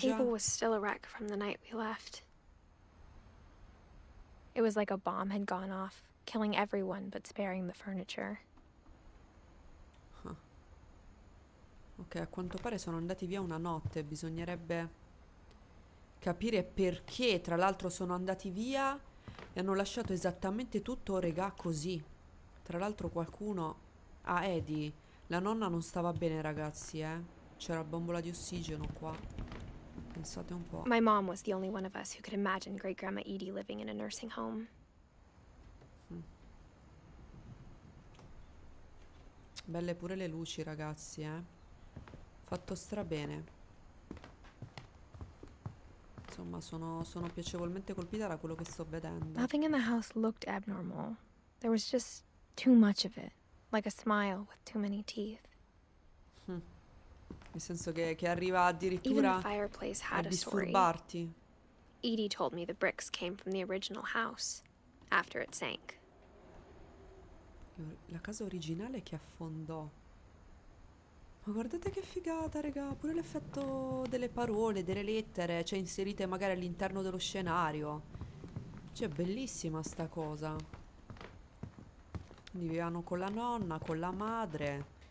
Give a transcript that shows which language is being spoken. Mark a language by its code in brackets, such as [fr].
[en] The table was still a wreck from the night we left. It was like a bomb had gone off, killing everyone but sparing the furniture. [it] Ok, a quanto pare sono andati via una notte. Bisognerebbe capire perché, tra l'altro, sono andati via e hanno lasciato esattamente tutto, regà, così. Tra l'altro qualcuno... Ah, Eddie. La nonna non stava bene, ragazzi, eh. C'era bombola di ossigeno qua. Pensate un po'. [en] My mom was the only one of us who could imagine great grandma Edie living in a nursing home. [it] Belle pure le luci, ragazzi, eh. Fatto stra bene. Insomma, sono piacevolmente colpita da quello che sto vedendo. [en] Nothing in the house looked abnormal. There was just too much of it, like a smile with too many teeth. [it] Nel senso che arriva addirittura a disturbarti. [en] Even the fireplace had a story. Edie told me the bricks came from the original house after it sank. [it] La casa originale che affondò. Ma guardate che figata, raga, pure l'effetto delle parole, delle lettere, cioè inserite magari all'interno dello scenario. Cioè, bellissima sta cosa. Quindi vivevano con la nonna, con la madre.